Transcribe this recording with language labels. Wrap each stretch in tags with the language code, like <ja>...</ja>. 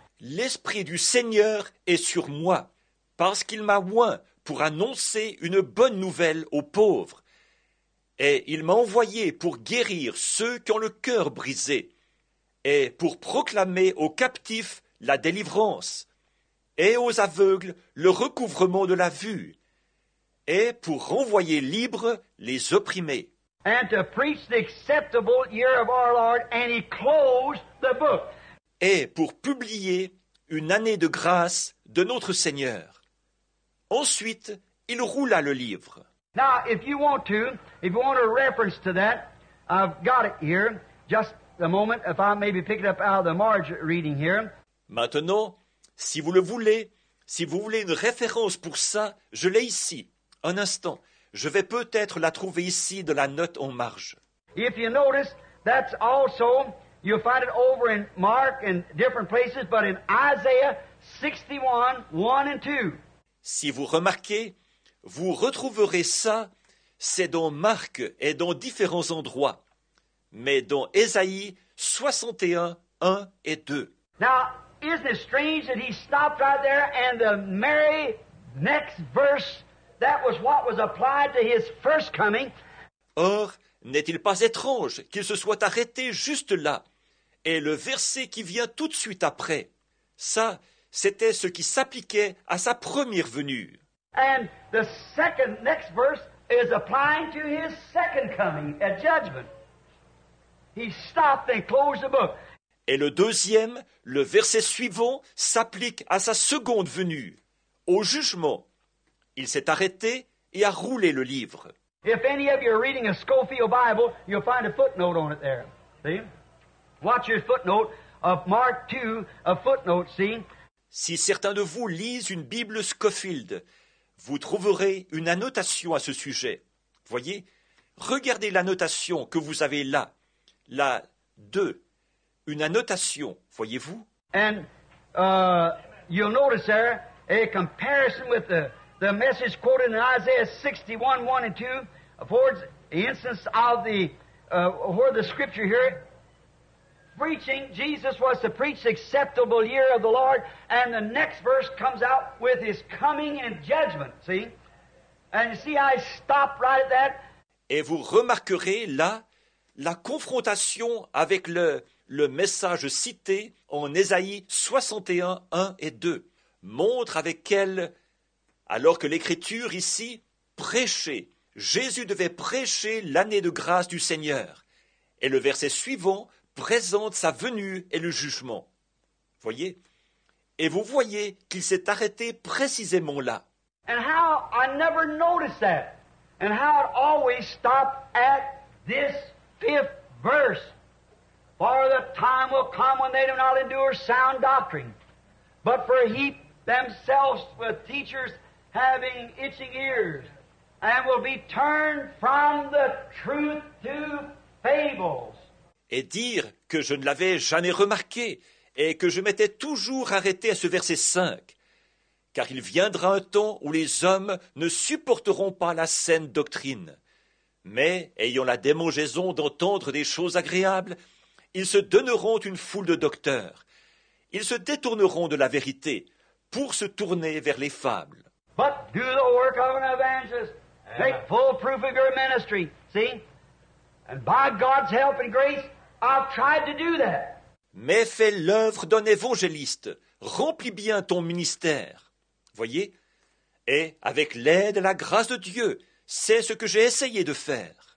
<fr>L'Esprit du Seigneur est sur moi, parce qu'il m'a oint pour annoncer une bonne nouvelle aux pauvres. Et il m'a envoyé pour guérir ceux qui ont le cœur brisé, et pour proclamer aux captifs la délivrance, et aux aveugles le recouvrement de la vue, et pour renvoyer libres les opprimés.</fr> <en>And to preach the acceptable year of our Lord, and he closed the book.</en> <fr>Et pour publier une année de grâce de notre Seigneur. Ensuite, il roula le livre.</fr> <en>Now, if you want a reference to that, I've got it here, just a moment, if I maybe pick it up out of the margin reading here.</en> <fr>Maintenant, si vous le voulez, si vous voulez une référence pour ça, je l'ai ici. Un instant, je vais peut-être la trouver ici dans la note en marge.</fr> <en>If you notice, that's also, you'll find it over in Mark and different places, but in Isaiah 61, 1 and 2.</en> <fr>Si vous remarquez, vous retrouverez ça, c'est dans Marc et dans différents endroits, mais dans Ésaïe 61, 1 et 2.</fr> <en>Now, isn't it strange that he stopped right there and the merry next verse, that was what was applied to his first coming.</en> <fr>Or, n'est-il pas étrange qu'il se soit arrêté juste là? Et le verset qui vient tout de suite après, ça, c'était ce qui s'appliquait à sa première venue.</fr> <en>And the second, next verse is applying to his second coming at judgment. He stopped and closed the book.</en> <fr>Et le deuxième, le verset suivant, s'applique à sa seconde venue, au jugement. Il s'est arrêté et a roulé le livre.</fr> <en>If any of you are reading a Scofield Bible, you'll find a footnote on it there. See? Watch your footnote of Mark 2, a footnote, see?</en> <fr>Si certains de vous lisent une Bible Scofield, vous trouverez une annotation à ce sujet. Voyez, regardez l'annotation que vous avez là, la 2, une annotation, voyez-vous?</fr> <en>And you'll notice there a comparison with the message quoted in Isaiah 61, 1 and 2 affords the instance of the where the scripture here. Preaching, Jesus was to preach the acceptable year of the Lord, and the next verse comes out with his coming and judgment, see? And you see, I stop right at that.</en> <fr>Et vous remarquerez là la confrontation avec le message cité en Ésaïe 61, 1 et 2. Montre avec quelle, alors que l'Écriture ici prêchait, Jésus devait prêcher l'année de grâce du Seigneur. Et le verset suivant présente sa venue et le jugement. Voyez, et vous voyez qu'il s'est arrêté précisément là.</fr> <en>And how I never noticed that, and how it always stopped at this fifth verse. For the time will come when they do not endure sound doctrine, but for heap themselves with teachers having itching ears, and will be turned from the truth to fables.</en> <fr>Et dire que je ne l'avais jamais remarqué et que je m'étais toujours arrêté à ce verset 5. Car il viendra un temps où les hommes ne supporteront pas la saine doctrine. Mais, ayant la démangeaison d'entendre des choses agréables, ils se donneront une foule de docteurs. Ils se détourneront de la vérité pour se tourner vers les fables.</fr> <en>But do the work of an evangelist. Make full proof of your ministry. See? And by God's help and grace, I've tried to do that.</en> <fr>Mais fais l'œuvre d'un évangéliste. Remplis bien ton ministère. Voyez, et avec l'aide et la grâce de Dieu, c'est ce que j'ai essayé de faire.</fr>